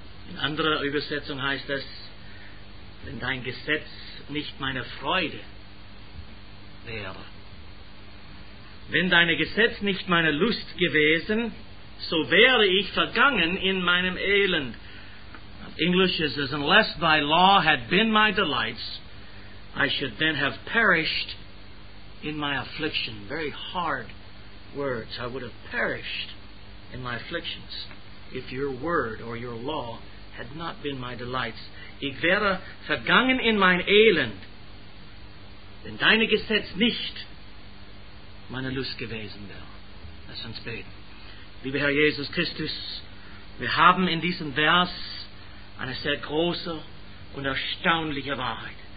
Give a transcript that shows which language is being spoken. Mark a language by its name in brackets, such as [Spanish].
[German] In anderer Übersetzung heißt es, wenn dein Gesetz nicht meine Freude wäre. Wenn dein Gesetz nicht meine Lust gewesen, so wäre ich vergangen in meinem Elend. [English] English is as unless thy law had been my delights, I should then have perished in my affliction. Very hard words. I would have perished in my afflictions if your word or your law had not been my delights. [German] Ich wäre vergangen in mein Elend, wenn deine Gesetz nicht meine Lust gewesen wäre. Lass uns beten. Lieber Herr Jesus Christus, wir haben in diesem Vers eine sehr große und erstaunliche Wahrheit.